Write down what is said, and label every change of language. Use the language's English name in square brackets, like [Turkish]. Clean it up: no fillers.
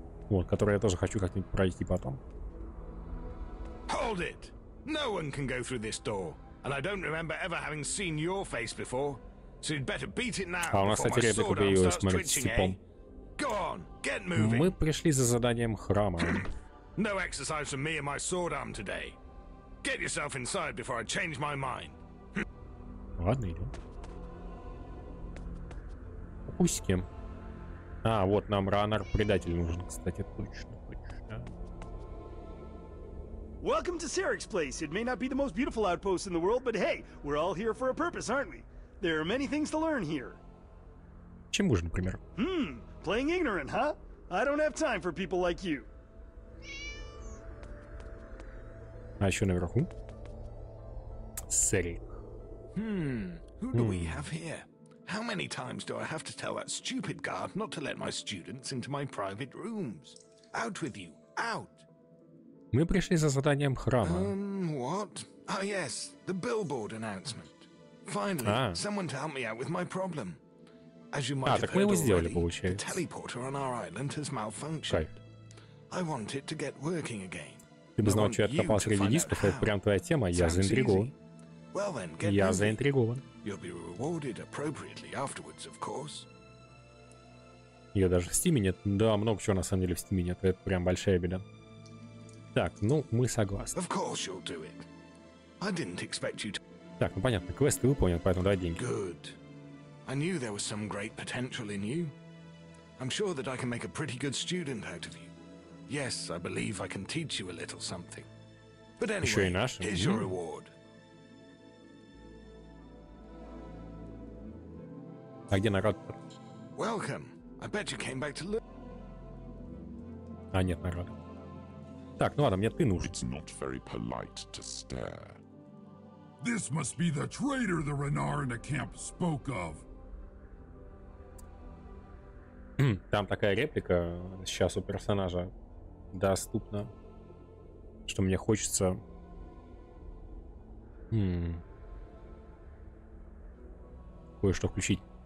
[Russian] Вот, которые я тоже хочу как-нибудь пройти потом. [English] Hold it! No one can go through this door. And I don't remember ever having seen your face before. So you'd better beat it now. [Russian] А у нас, кстати, реплика появилась, смотрите, с типом. [English] Go on, get moving. [Russian] Мы пришли за заданием храма. [English] No exercise for me and my sword arm today. Get yourself inside before I change my mind. [Russian] Ладно, идем. Пусть. А, вот нам Ранар предатель нужен, кстати, точно. [English] Welcome to Sarek's place. It may not be the most beautiful outpost in the world, but hey, we're all here for a purpose, aren't we? There are many things to learn here. [Russian] Чему же, например? [English] Playing ignorant, huh? I don't have time for people like you. [Russian] А еще наверху? Сэри. [English] Who do we have here? How many times do I have to tell that stupid guard not to let my students into my private rooms? Out with you, out! [Russian] Мы пришли за заданием храма. [English] What? Oh yes, the billboard announcement. Finally, someone to help me out with my problem. As you might have heard already, the teleporter on our island has malfunctioned. I want it to get working again. [Russian] Ты бы знал, что я откопал среди дисков, это прям твоя тема, я заинтригован. [English] Well then, [Russian] я заинтригован. [English] You'll be rewarded appropriately afterwards, of course. [Russian] Ее даже в Стиме нет. Да, много чего на самом деле в Стиме нет. Это прям большая беда. Так, ну, мы согласны. [English] Of course you'll do it. I didn't expect you to... [Russian] Так, ну понятно, квест ты выполнил, поэтому давай деньги. [English] Good. I knew there was some great potential in you. I'm sure that I can make a pretty good student out of you. Yes, I believe I can teach you a little something. But anyway, here's your reward. [Russian] А где народ? [English] Welcome. I bet you came back to look. [Russian] А нет, народ. Так, ну ладно, мне ты нужен. [English] It's not very polite to stare. This must be the traitor the Renar in the camp spoke of. [Russian] Там такая реплика сейчас у персонажа доступна, что мне хочется. Кое-что включить.